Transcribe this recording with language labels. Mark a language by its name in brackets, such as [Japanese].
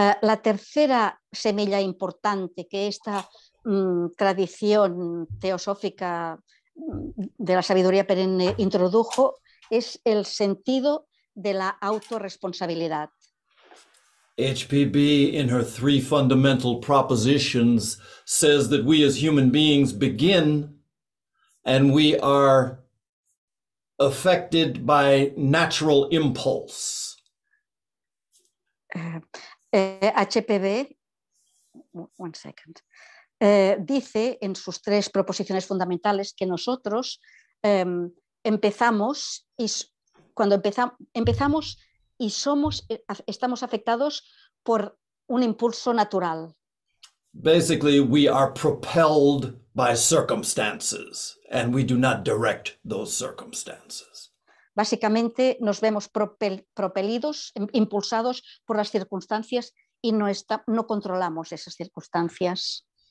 [Spanish] La tercera semilla importante que esta tradición teosófica de la sabiduría perenne introdujo es el sentido de la autorresponsabilidad. [English] HPB, in her three fundamental propositions, says that we as human beings begin and we are affected by natural impulse. HPB, one second. [Spanish] Dice en sus tres proposiciones fundamentales que nosotros empezamos y cuando empezamos y somos estamos afectados por un impulso natural. [English] Basically, we are propelled by circumstances and we do not direct those circumstances. [Spanish] Básicamente, nos vemos propelidos, impulsados por las circunstancias y no controlamos esas circunstancias.